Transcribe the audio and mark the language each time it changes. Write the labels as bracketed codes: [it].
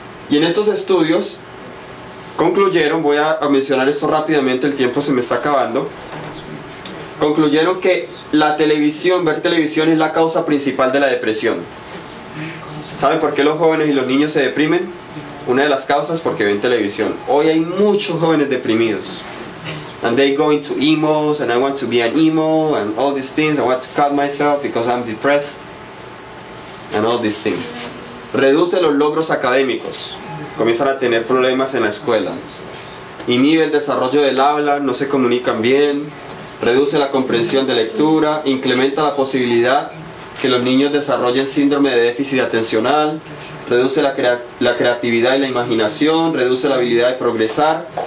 [es] Y en estos estudios concluyeron, voy a mencionar esto rápidamente, el tiempo se me está acabando. Concluyeron que la televisión, ver televisión, es la causa principal de la depresión. ¿Saben por qué los jóvenes y los niños se deprimen? Una de las causas, porque ven televisión. Hoy hay muchos jóvenes deprimidos. [en] And they go into emos, and I want to be an emo, and all these things. I want to cut myself because I'm depressed, and all these things. [es] Reduce los logros académicos. Comienzan a tener problemas en la escuela. Inhibe el desarrollo del habla, no se comunican bien. Reduce la comprensión de lectura. Incrementa la posibilidad que los niños desarrollen síndrome de déficit atencional. Reduce la creatividad y la imaginación. Reduce la habilidad de progresar.